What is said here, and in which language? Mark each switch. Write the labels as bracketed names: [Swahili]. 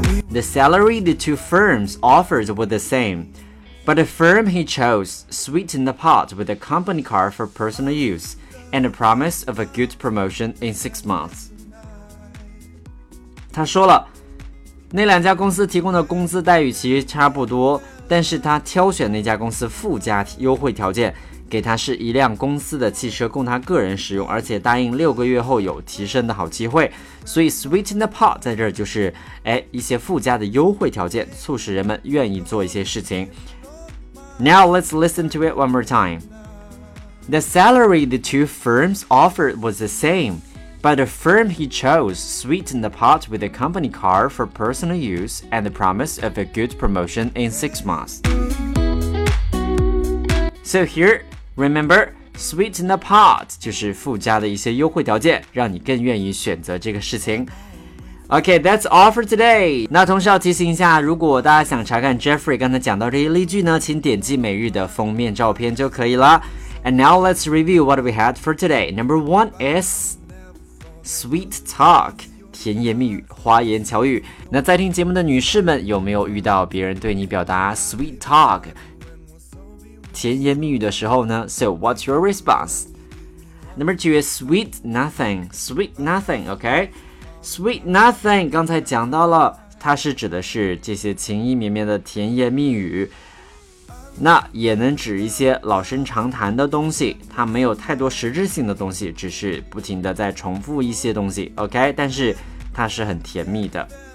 [English] The salary the two firms offered were the same， but the firm he chose sweetened the pot with a company car for personal use and a promise of a good promotion in 6 months。 [Chinese] 他说了，那两家公司提供的工资待遇其实差不多，但是他挑选那家公司附加优惠条件，给他是一辆公司的汽车供他个人使用，而且答应6个月后有提升的好机会。所以 sweeten the pot 在这儿就是一些附加的优惠条件，促使人们愿意做一些事情。 [English] Now let's listen to it one more time. The salary the two firms offered was the sameBut the firm he chose sweetened the pot with a company car for personal use and the promise of a good promotion in 6 months. So here, remember, [Chinese] sweeten the pot 就是附加的一些优惠条件，让你更愿意选择这个事情。 [English] OK, that's all for today. [Chinese] 那同时要提醒一下，如果大家想查看 Jeffrey 刚才讲到这些例句呢，请点击每日的封面照片就可以了。 [English] And now let's review what we had for today. Number one is... Sweet talk， [Chinese] 甜言蜜语，花言巧语。那在听节目的女士们，有没有遇到别人对你表达 sweet talk， 甜言蜜语的时候呢？ [English] So what's your response? Number two is [Chinese] sweet nothing， sweet nothing， OK， sweet nothing， 刚才讲到了，它是指的是这些情意绵绵的甜言蜜语，那也能指一些老生常谈的东西，它没有太多实质性的东西，只是不停的在重复一些东西， OK， 但是它是很甜蜜的。